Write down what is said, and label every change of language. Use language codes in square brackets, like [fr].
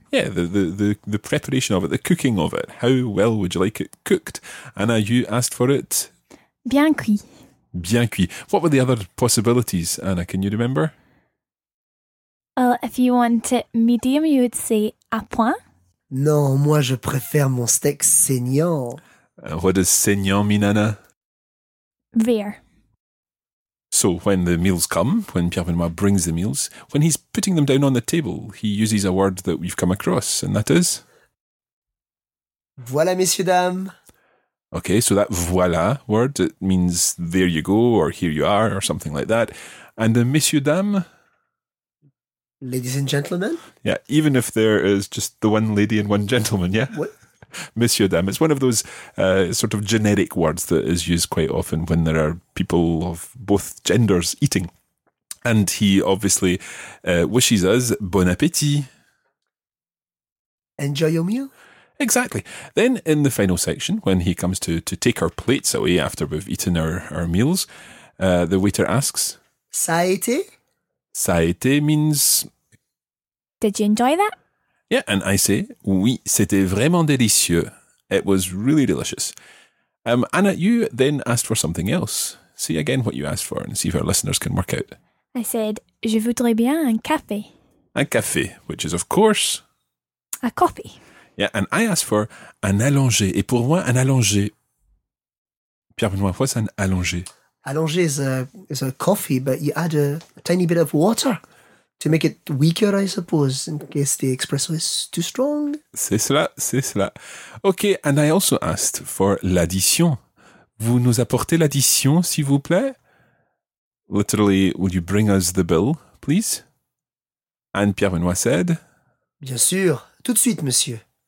[en] Yeah, the preparation of it, the cooking of it. How well would you like it cooked? Anna, you asked for it? [fr] Bien cuit. Bien cuit. [en] What were the other possibilities, Anna? Can you remember? Well, if you want it medium, you would say à point. [fr] Non, moi je préfère mon steak saignant. [en] What does saignant mean, Anna? Rare. So when the meals come, when Pierre-Benoît brings the meals, when he's putting them down on the table, he uses a word that we've come across, and that is? [fr] Voilà, messieurs, dames. [en] Okay, so that voilà word, it means there you go, or here you are, or something like that. And the messieurs, dames? Ladies and gentlemen? Yeah, even if there is just the one lady and one gentleman, yeah? What? Monsieur Dame, it's one of those sort of generic words that is used quite often when there are people of both genders eating. And he obviously wishes us bon appétit. Enjoy your meal. Exactly. Then in the final section, when he comes to take our plates away after we've eaten our meals, the waiter asks, [fr] ça a été? Ça a été means... [en] Did you enjoy that? Yeah, and I say, [fr] oui, c'était vraiment délicieux. [en] It was really delicious. Anna, you then asked for something else. See again what you asked for and see if our listeners can work out. I said, [fr] je voudrais bien un café. [en] Un café, which is of course... A coffee. Yeah, and I asked for un allongé. [fr] Et pour moi, un allongé... [en] Pierre-Benoît, what's an allongé? Allongé is a coffee, but you add a tiny bit of water. To make it weaker, I suppose, in case the espresso is too strong. [fr] C'est cela, c'est cela. [en] Okay, and I also asked for l'addition. [fr] Vous nous apportez l'addition, s'il vous plaît? [en] Literally, would you bring us the bill, please? And Pierre-Benoît said... [fr] Bien sûr, tout de suite, monsieur.